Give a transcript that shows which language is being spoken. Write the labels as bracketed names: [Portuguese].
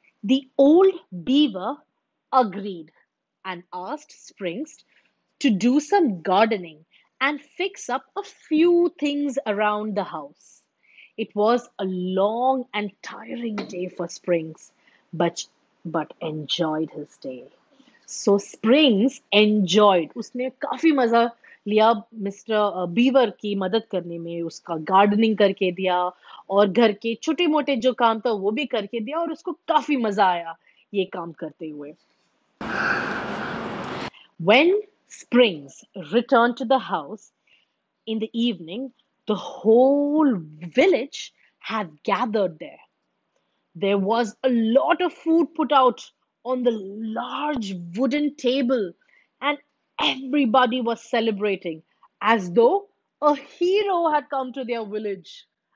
[English] The old beaver agreed and asked Springs to do some gardening and fix up a few things around the house. It was a long and tiring day for Springs, but enjoyed his day. So Springs enjoyed. [Hindi] उसने काफी मजा लिया mister beaver की मदद करने में. उसका gardening करके दिया और घर के छोटे मोटे जो काम था वो भी करके दिया, और उसको काफी मजा आया ये काम करते हुए. [English] When Springs returned to the house in the evening, the whole village had gathered there. There was a lot of food put out on the large wooden table, and everybody was celebrating as though a hero had come to their village.